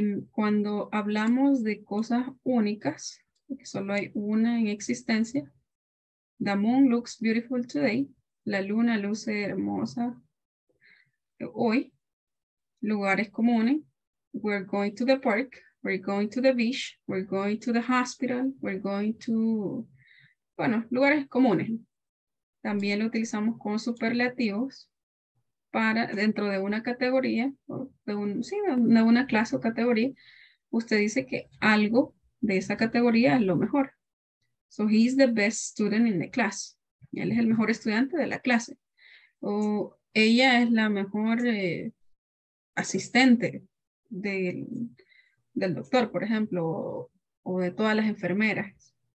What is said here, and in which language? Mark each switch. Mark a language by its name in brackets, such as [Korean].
[Spanish] Cuando hablamos de cosas únicas, que solo hay una en existencia, [English] the moon looks beautiful today, [Spanish] la luna luce hermosa hoy, lugares comunes, [English] we're going to the park, we're going to the beach, we're going to the hospital, we're going to, [Spanish] bueno, lugares comunes. También lo utilizamos con superlativos, para dentro de una categoría, de una clase o categoría, usted dice que algo de esa categoría es lo mejor. [English] So he's the best student in the class. [Spanish] Él es el mejor estudiante de la clase. O ella es la mejor asistente del doctor, por ejemplo, o de todas las enfermeras.